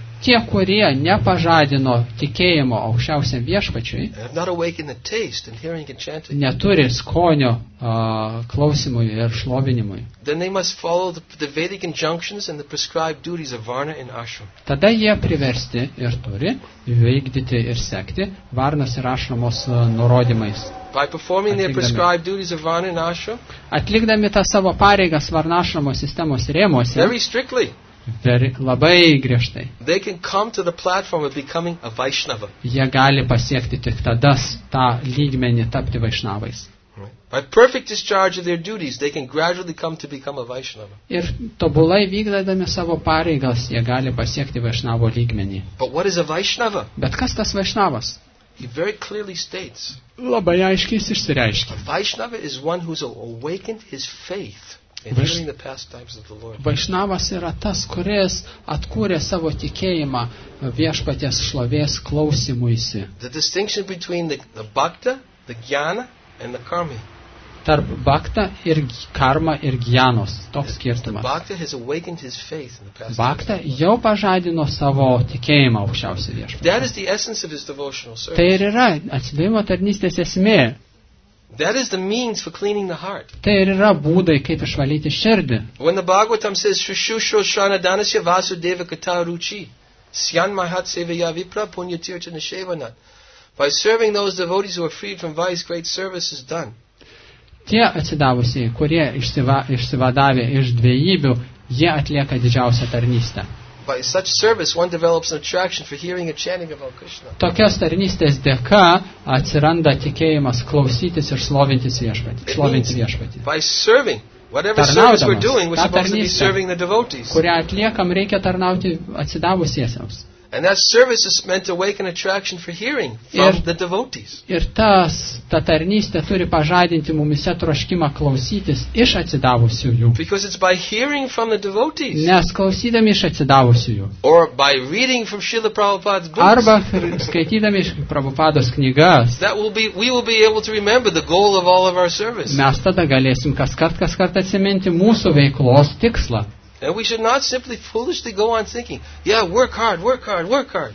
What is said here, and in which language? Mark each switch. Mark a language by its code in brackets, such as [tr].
[lt] tie, kurie nepažadino tikėjimo aukščiausiam viešpačiui, [en] have not awakened the taste in hearing and chanting, [lt] neturi skonio klausimui ir šlovinimui, [en] then they must follow the Vedic injunctions and the prescribed duties of Varna and Ashram. [lt] Tada jie priversti ir turi vykdyti ir sekti Varnas ir Ašramos nurodymais. [en] By performing their prescribed duties of Varna and Ashram, [lt] atlikdami tą savo pareigas Varnašramo sistemos rėmuose, [en] very strictly, [lt] labai griežtai, [en] they can come to the platform of becoming a Vaishnava. [lt] Jie gali pasiekti tik tada tą lygmenį tapti Vaishnavais. [en] By perfect discharge of their duties, they can gradually come to become a Vaishnava. [lt] Ir tobulai vykdydami savo pareigas, jie gali pasiekti Vaishnavo lygmenį. [en] But what is a Vaishnava? [lt] Bet kas tas Vaishnavas? [en] He very clearly states. [lt] Labai aiškiai jis išsireiškia. [en] Vaishnava is one who's awakened his faith. Hearing the past times of the Lord. [lt] Vaishnavas yra tas, kuris atkūrė savo tikėjimą viešpaties šlovės klausymuisi. [en] The distinction between the bhakta, the jnana, and the karmi. [lt] Tarp bhakta ir karma ir jnanos. Toks skirtumas. [en] Bhakta has awakened his faith in the past. [lt] Bhakta jau pažadino savo tikėjimą aukščiausiai viešpatie. [en] That is the essence of his devotional service. [lt] Tai ir yra atsidavimo tarnystės esmė. [en] That is the means for cleaning the heart. [lt] Tai ir yra būdai, kaip išvalyti širdį. [en] When the Bhagavatam says [sa] shushusho shana danasya vasudeva kata ruchi syan mahat sevaya vipra punya tirtha nishevana. [en] By serving those devotees who are freed from vice, great service is done. [lt] Tie atsidavusieji, kurie išsivadavė iš dvejybių, jie atlieka didžiausią tarnystę. [en] By such service one develops an attraction for hearing and chanting about Krishna. [lt] Tokios tarnystės dėka atsiranda tikėjimas klausytis ir šlovinti viešpatį. [en] By serving, whatever service we're doing, we're supposed to be serving the devotees. [lt] Kurią atliekam, reikia tarnauti atsidavusiesiems. [en] And that service is meant to awaken attraction for hearing from the devotees. [lt] Ir ta tarnystė turi pažadinti mumise troškimą klausytis iš atsidavusiųjų. [en] Because it's by hearing from the devotees. [lt] Nes klausydami iš atsidavusiųjų. [en] Or by reading from Srila Prabhupada's books. [lt] Arba skaitydami iš Prabhupados knygas. [en] We will be able to remember the goal of all of our service. [lt] Mes tada galėsim kaskart atsiminti mūsų veiklos tikslą. [en] And we should not simply foolishly go on thinking, yeah, work hard, work hard, work hard.